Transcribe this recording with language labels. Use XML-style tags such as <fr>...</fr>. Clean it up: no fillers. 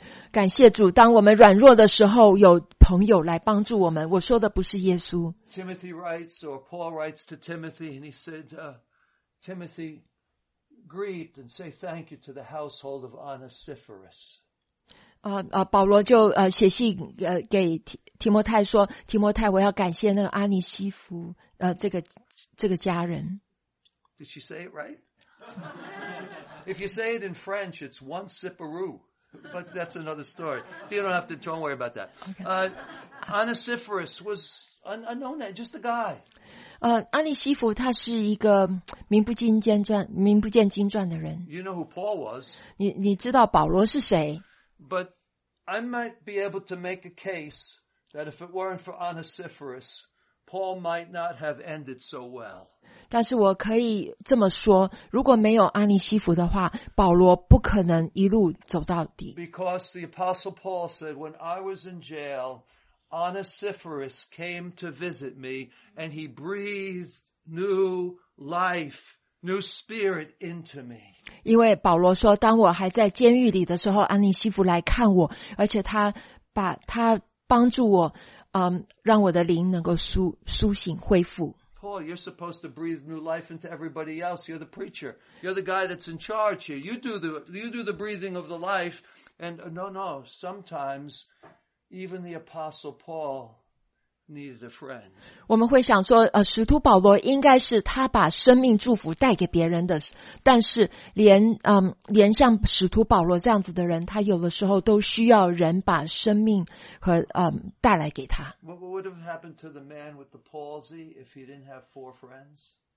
<zh>感谢主，当我们软弱的时候，有朋友来帮助我们。我说的不是耶稣。</zh> <en>Timothy writes, or Paul writes to Timothy, and he said, Timothy, greet and say thank you to the household of Onesiphorus.</en> <zh>保罗就写信给提摩太说，提摩太，我要感谢那个阿尼西弗这个家人。</zh> <en>Did she say it right? If you say it in French, it's Onesiphorus. But that's another story. You don't have to, don't worry about that. Onesiphorus was a no name, just a guy.</en> <zh>阿尼西弗他是一个名不见经传、名不见经传的人。</zh> <en>You know who Paul was.</en> <zh>你知道保罗是谁。</zh> <en>But I might be able to make a case that if it weren't for Onesiphorus, Paul might not have ended so well.</en> <zh>但是我可以这么说，如果没有阿尼西弗的话，保罗不可能一路走到底。</zh> <en>Because the Apostle Paul said, when I was in jail, Onesiphorus came to visit me, and he breathed new life, new spirit into me.</en> <zh>因为保罗说，当我还在监狱里的时候，阿尼西弗来看我，而且他帮助我，让我的灵能够苏醒恢复。</zh> <en>Paul, you're supposed to breathe new life into everybody else. You're the preacher. You're the guy that's in charge here. You do the breathing of the life. And no. Sometimes even the apostle Paul needed a friend.</en> <zh>我们会想说，使徒保罗应该是他把生命祝福带给别人的，但是连像使徒保罗这样子的人，他有的时候都需要人把生命和带来给他。</zh> <en>What would have happened to the man with the palsy if he didn't have four friends?</en>